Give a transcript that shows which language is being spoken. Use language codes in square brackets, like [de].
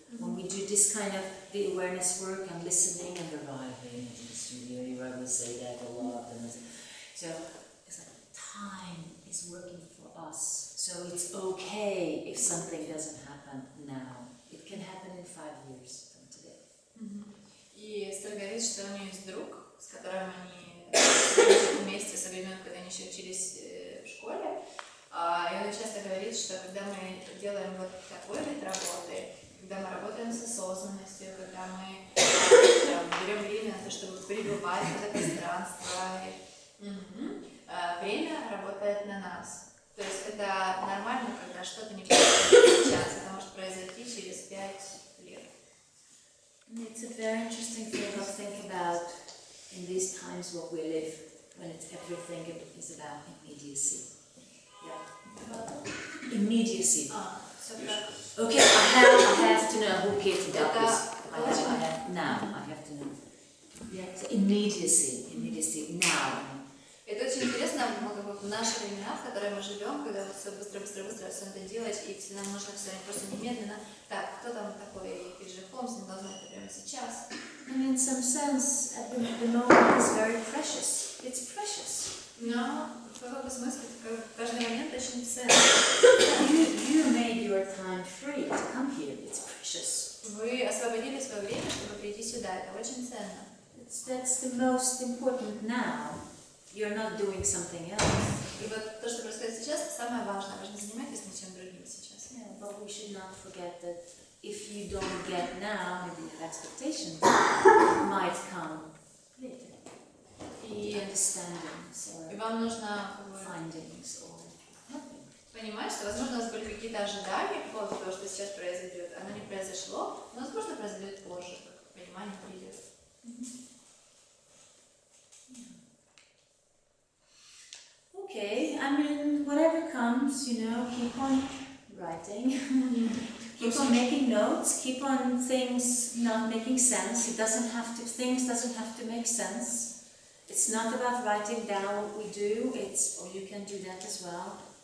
[en] When we do this kind of the awareness work and listening and arriving, it's really where we say that a lot. And so it's like time is working for us. So it's okay if something doesn't happen now. It can happen in 5 years from today. [ru] И Эстер говорит, что у нее есть друг, с которым они вместе со времен, когда они еще учились в школе. И он часто говорит, что когда мы делаем вот такой вид работы, когда мы работаем с осознанностью, когда мы берем время на то, чтобы пребывать в это пространство, время работает на нас. То есть это нормально, когда что-то не происходит сейчас, это может произойти через 5 лет. [en] It's a very interesting thing to think about in these times what we live, when it's everything is about immediacy. Yeah. Immediacy. Okay, I have to know who gave the doctors. I have to know. Yeah. So immediacy. Now. [ru] Это очень интересно, много вот в наши времена, в которые мы живем, когда все быстро все надо делать, и нам нужно все просто немедленно. Так, кто там такой? И Джек Холмс, мы должны это прямо сейчас. [en] I mean, in some sense, at the moment is very precious. It's precious. No. You made your time free to come here. It's precious. [ru] Вы освободили свое время, чтобы прийти сюда. Это очень ценно. [en] That's the most important now. You're not doing something else. [ru] И вот то, что происходит сейчас, самое важное. Вы же не занимаетесь ничем другим сейчас. [en] Yeah, but we should not forget that if you don't get now, maybe you have expectations, might come later. [ru] И вам нужно [en] findings or [ru] понимать, что, возможно, у вас были какие-то ожидания по поводу того, что сейчас произойдет. Оно не произошло, но, возможно, произойдет позже, как понимание придет. [en] Okay, I mean, whatever comes, you know, keep on writing. Keep on making notes, keep on things not making sense. It doesn't have to, things doesn't have to make sense. It's not about writing down what we do, it's, or you can do that as well.